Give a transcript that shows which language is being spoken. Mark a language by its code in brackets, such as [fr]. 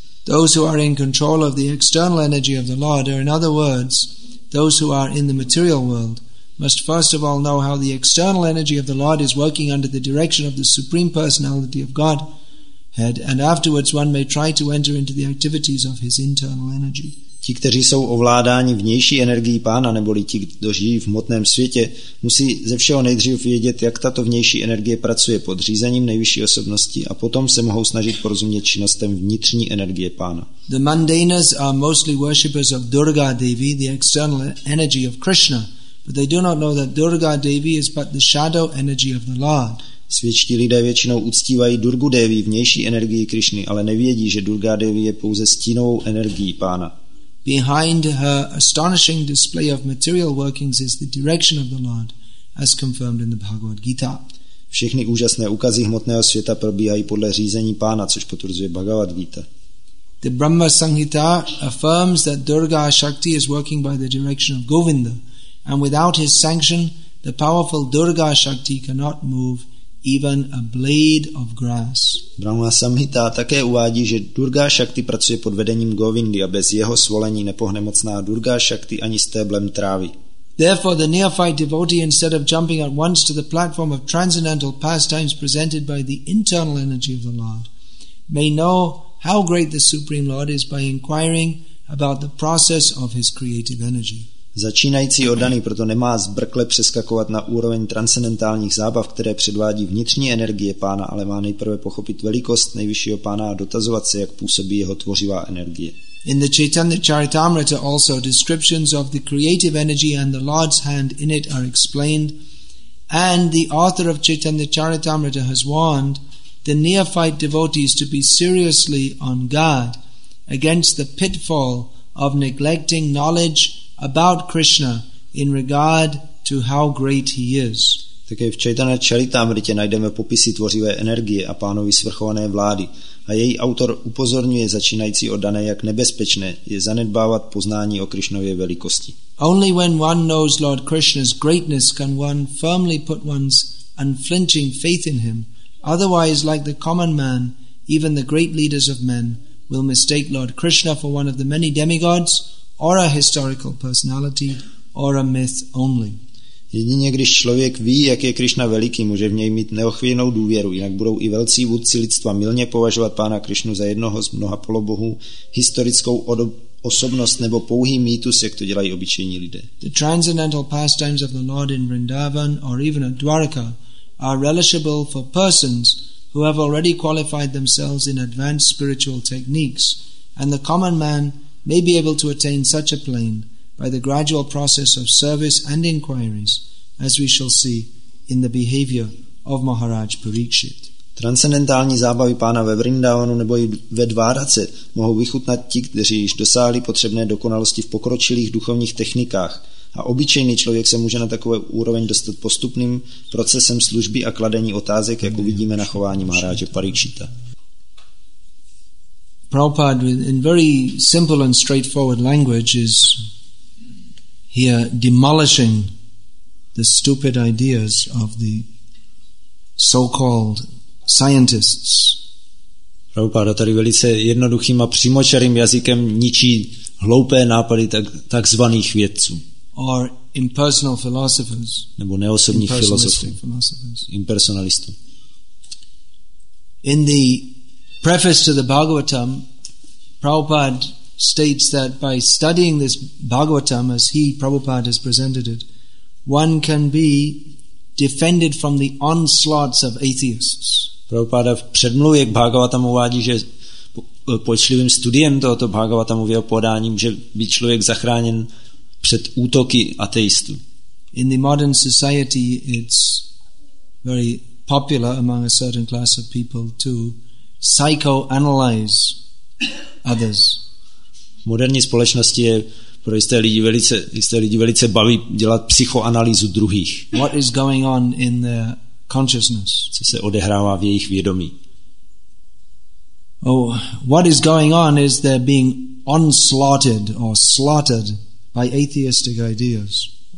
[en] Those who are in control of the external energy of the Lord, or in other words, those who are in the material world, must first of all know how the external energy of the Lord is working under the direction of the Supreme Personality of God, and afterwards one may try to enter into the activities of his internal energy. [cs] Ti, kteří jsou ovládáni vnější energií pána, neboli ti, kdo žijí v hmotném světě, musí ze všeho nejdřív vědět, jak tato vnější energie pracuje pod řízením nejvyšší osobnosti a potom se mohou snažit porozumět činnostem vnitřní energie pána. [en] The mundanas are mostly worshippers of Durga Devi, the external energy of Krishna, but they do not know that Durga Devi is but the shadow energy of the Lord. [cs] Svědčtí lidé většinou uctívají Durgu Devi, vnější energii Krišny, ale nevědí, že Durga Devi je pouze stínovou energií pána. [en] Behind her astonishing display of material workings is the direction of the Lord, as confirmed in the Bhagavad Gita. [cs] Všechny úžasné ukazy hmotného světa probíhají podle řízení pána, což potvrzuje Bhagavad Gita. [en] The Brahma Sanghita affirms that Durga Shakti is working by the direction of Govinda, and without his sanction, the powerful Durga Shakti cannot move even a blade of grass. [cs] Brahma Samhita také uvádí, že Durga Shakti pracuje pod vedením Govindy a bez jeho svolení nepohne mocná Durga Shakti ani stéblem trávy. [en] Therefore the neophyte devotee, instead of jumping at once to the platform of transcendental pastimes presented by the internal energy of the Lord, may know how great the Supreme Lord is by inquiring about the process of his creative energy. [cs] Začínající oddaný proto nemá zbrkle přeskakovat na úroveň transcendentálních zábav, které předvádí vnitřní energie pána, ale má nejprve pochopit velikost nejvyššího pána a dotazovat se, jak působí jeho tvořivá energie. [en] In the Chaitanya Charitamrita also descriptions of the creative energy and the Lord's hand in it are explained, and the author of Chaitanya Charitamrita has warned the neophyte devotees to be seriously on guard against the pitfall of neglecting knowledge about Krishna in regard to how great he is. [cs] Také v Chaitanya Charitamritě najdeme popisy tvořivé energie a pánovi svrchované vlády a její autor upozorňuje začínající oddané, jak nebezpečné je zanedbávat poznání o Krišnově velikosti. [en] Only when one knows Lord Krishna's greatness can one firmly put one's unflinching faith in him. Otherwise, like the common man, even the great leaders of men will mistake Lord Krishna for one of the many demigods, or a historical personality, or a myth only. [cs] Jedině když člověk ví, jak je Krišna veliký, může v něj mít neochvějnou důvěru, jinak budou i velcí vůdci lidstva mylně považovat pána Krišnu za jednoho z mnoha polobohů, historickou osobnost nebo pouhý mýtus, jak to dělají obyčejní lidé. [en] The transcendental pastimes of the Lord in Vrindavan or even at Dwarka are relishable for persons who have already qualified themselves in advanced spiritual techniques, and the common man may be able to attain such a plane by the gradual process of service and inquiries, as we shall see in the behavior of Maharaj Parikshit. [cs] Transcendentální zábavy pána ve Vrindavanu nebo i ve Dvárace mohou vychutnat ti, kteří již dosáhli potřebné dokonalosti v pokročilých duchovních technikách. A obyčejný člověk se může na takové úroveň dostat postupným procesem služby a kladení otázek, jak uvidíme na chování Maharaje Parikshita. [en] Prabhupada, in very simple and straightforward language, is here demolishing the stupid ideas of the so-called scientists. [cs] Prabhupada tady velice jednoduchým a přímočarým jazykem ničí hloupé nápady takzvaných vědců. [en] Or impersonal philosophers, [cs] nebo neosobních filozofů, impersonalistů. [en] In the preface to the Bhagavatam, Prabhupada states that by studying this Bhagavatam as he, Prabhupada, has presented it, one can be defended from the onslaughts of atheists. [cs] Prabhupada v předmluvě k Bhagavatamu uvádí, že pečlivým studiem tohoto Bhagavatamu v jeho podání může být člověk zachráněn před útoky ateistů. [en] In the modern society it's very popular among a certain class of people to psychoanalyze others. [cs] V moderní společnosti je pro jisté lidi velice baví dělat psychoanalýzu druhých. [en] What is going on in their consciousness? [cs] Co se odehrává v jejich vědomí? [en] Oh, what is going on is they're being onslaughted or slaughtered by atheistic ideas.